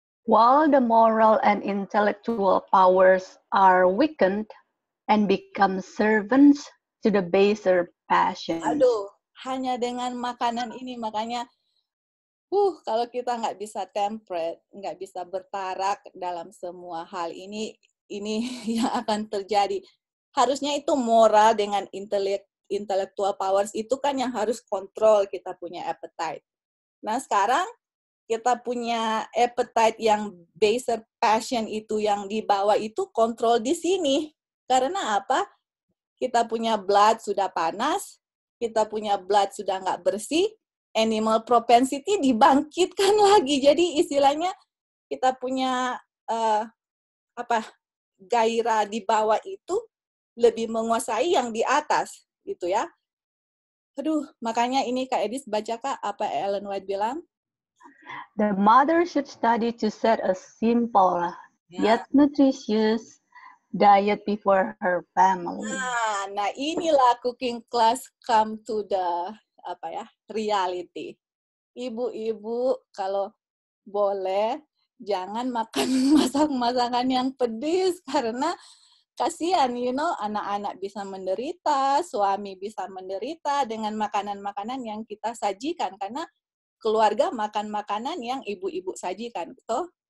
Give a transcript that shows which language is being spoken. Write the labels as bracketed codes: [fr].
[en] While the moral and intellectual powers are weakened and become servants to the baser passions. [id] Aduh, hanya dengan makanan ini, makanya kalau kita nggak bisa temperate, nggak bisa bertarak dalam semua hal ini yang akan terjadi. Harusnya itu moral dengan intellectual powers itu kan yang harus kontrol kita punya appetite. Nah, sekarang kita punya appetite yang baser passion itu yang dibawa itu kontrol di sini. Karena apa? Kita punya blood sudah panas, kita punya blood sudah nggak bersih, animal propensity dibangkitkan lagi. Jadi istilahnya kita punya gairah di bawah itu lebih menguasai yang di atas, gitu ya. Aduh, makanya ini Kak Edis baca Kak apa Ellen White bilang? [en] The mother should study to set a simple yet nutritious diet before her family. [id] Nah, inilah [en] cooking class come to the reality. [id] Ibu-ibu kalau boleh jangan makan masakan-masakan yang pedis karena kasihan, [en] you know, [id] anak-anak bisa menderita, suami bisa menderita dengan makanan-makanan yang kita sajikan karena keluarga makan makanan yang ibu-ibu sajikan, toh.